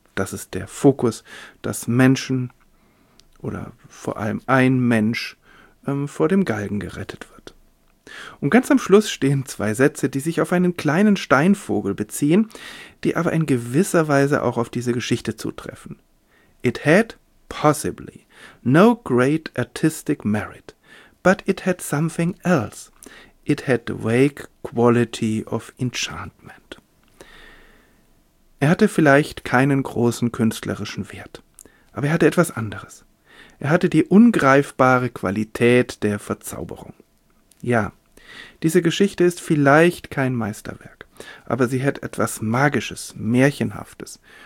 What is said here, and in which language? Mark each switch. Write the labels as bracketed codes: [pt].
[de] Das ist der Fokus, dass Menschen oder vor allem ein Mensch vor dem Galgen gerettet wird. Und ganz am Schluss stehen zwei Sätze, die sich auf einen kleinen Steinvogel beziehen, die aber in gewisser Weise auch auf diese Geschichte zutreffen. [en] "It had possibly no great artistic merit, but it had something else. It had the vague quality of enchantment." [de] Er hatte vielleicht keinen großen künstlerischen Wert, aber er hatte etwas anderes. Er hatte die ungreifbare Qualität der Verzauberung. Ja, diese Geschichte ist vielleicht kein Meisterwerk, aber sie hat etwas Magisches, Märchenhaftes.